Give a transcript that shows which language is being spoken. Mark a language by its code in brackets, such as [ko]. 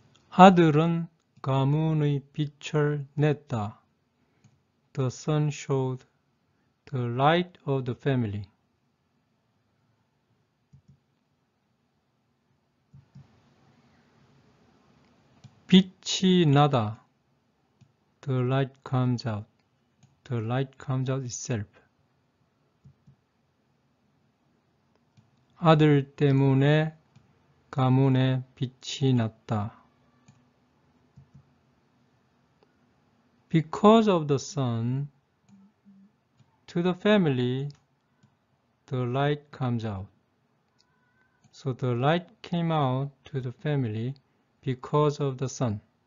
[ko] 아들은 가문의 빛을 냈다. [en] The sun showed the light of the family. [ko] 빛이 나다. [en] The light comes out. The light comes out itself. [ko] 아들 때문에 가문에 빛이 났다. [en] Because of the sun, to the family, the light comes out. So the light came out to the family because of the sun.